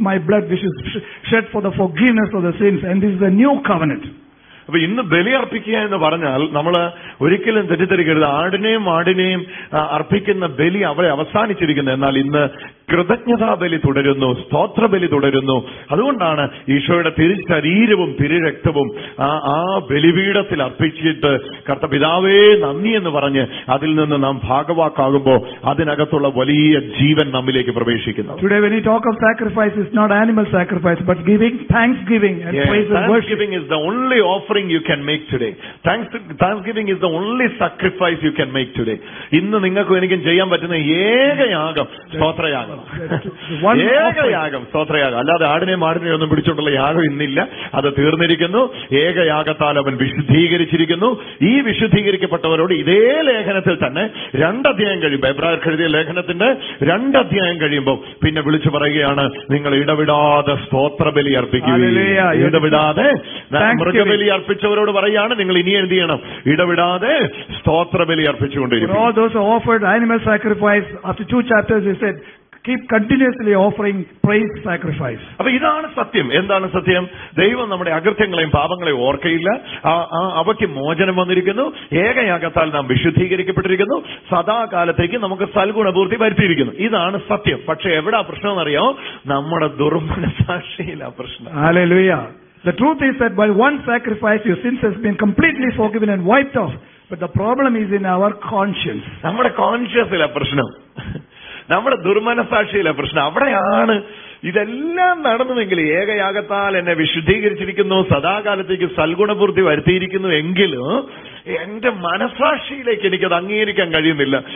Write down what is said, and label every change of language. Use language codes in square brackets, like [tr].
[en] Blood which is shed for the forgiveness of the sins, and this is the new covenant. [ml] അപ്പൊ ഇന്ന് ബലിയർപ്പിക്കുക എന്ന് പറഞ്ഞാൽ നമ്മൾ ഒരിക്കലും തെറ്റിദ്ധരിക്കരുത്. ആടിനെയും മാടിനെയും അർപ്പിക്കുന്ന ബലി അവിടെ അവസാനിച്ചിരിക്കുന്നു. എന്നാൽ ഇന്ന് കൃതജ്ഞതാ ബലി തുടരുന്നു, സ്തോത്ര ബലി തുടരുന്നു. അതുകൊണ്ടാണ് ഈശോയുടെ തിരു ശരീരവും തിരു രക്തവും ആ ബലിപീഠത്തിൽ അർപ്പിച്ചിട്ട് കർത്തപിതാവേ നന്ദി എന്ന് പറഞ്ഞ് അതിൽ നിന്ന് നാം ഭാഗവാക്കാകുമ്പോൾ അതിനകത്തുള്ള വലിയ ജീവൻ നമ്മിലേക്ക് പ്രവേശിക്കുന്നു. [en] Today when we talk of sacrifice, it's not animal sacrifice but giving, thanksgiving and praise and worship. Thanksgiving is the only offering you can make today. Thanksgiving is the only sacrifice you can make today. [ml] ഇന്ന് നിങ്ങൾക്കും എനിക്കും ചെയ്യാൻ പറ്റുന്ന ഏകയാഗം സ്തോത്രയാഗം, ഏകയാഗം സ്തോത്രയാഗം. അല്ലാതെ ആടിനെ മാടിനെ ഒന്നും പിടിച്ചോണ്ടുള്ള യാഗം ഇന്നില്ല, അത് തീർന്നിരിക്കുന്നു. ഏകയാഗത്താൽ അവൻ വിശുദ്ധീകരിച്ചിരിക്കുന്നു. ഈ വിശുദ്ധീകരിക്കപ്പെട്ടവരോട് ഇതേ ലേഖനത്തിൽ തന്നെ രണ്ടധ്യായം കഴിയുമ്പോൾ, എബ്രായർ എഴുതിയ ലേഖനത്തിന്റെ രണ്ടധ്യായം കഴിയുമ്പോൾ പിന്നെ വിളിച്ചു പറയുകയാണ്, നിങ്ങൾ ഇടവിടാതെ സ്തോത്രബലി അർപ്പിക്കുകയും ഇടവിടാതെ മൃഗബലി അർപ്പിച്ചവരോട് പറയുകയാണ് നിങ്ങൾ ഇനി എന്ത് ചെയ്യണം, ഇടവിടാതെ സ്തോത്രബലി അർപ്പിച്ചുകൊണ്ടിരിക്കും. [en] All those who offered animal sacrifice after 2 chapters, he said, keep continuously offering praise sacrifice. [ml] അപ്പോൾ ഇതാണ് സത്യം. എന്താണ് സത്യം? ദൈവം നമ്മുടെ അകൃത്യങ്ങളെയും പാപങ്ങളെയും ഓർക്കയില്ല. അവയ്ക്ക് മോചനം വന്നിരിക്കുന്നു. ഏകയാഗത്താൽ നാം വിശുദ്ധീകരിക്കപ്പെട്ടിരിക്കുന്നു. സദാകാലത്തേക്ക് നമുക്ക് സൽഗുണപൂർത്തി വരുത്തിയിരിക്കുന്നു. ഇതാണ് സത്യം. പക്ഷേ എവിടാ പ്രശ്നം എന്നറിയോ? നമ്മുടെ ദുർമനസാക്ഷിയിലാ പ്രശ്നം. [en] Hallelujah. The truth is that by one sacrifice your sins has been completely forgiven and wiped off. But the problem is in our conscience. [ml] നമ്മുടെ കോൺഷ്യസിലെ പ്രശ്നം, നമ്മുടെ ദുർമനസാക്ഷിയിലെ പ്രശ്നം അവിടെയാണ്. ഇതെല്ലാം നടന്നുവെങ്കിൽ, ഏകയാഗത്താൽ എന്നെ വിശുദ്ധീകരിച്ചിരിക്കുന്നു, സദാകാലത്തേക്ക് സൽഗുണപൂർത്തി വരുത്തിയിരിക്കുന്നു എങ്കിലും എന്റെ മനസാക്ഷിയിലേക്ക് എനിക്കത് അംഗീകരിക്കാൻ കഴിയുന്നില്ല.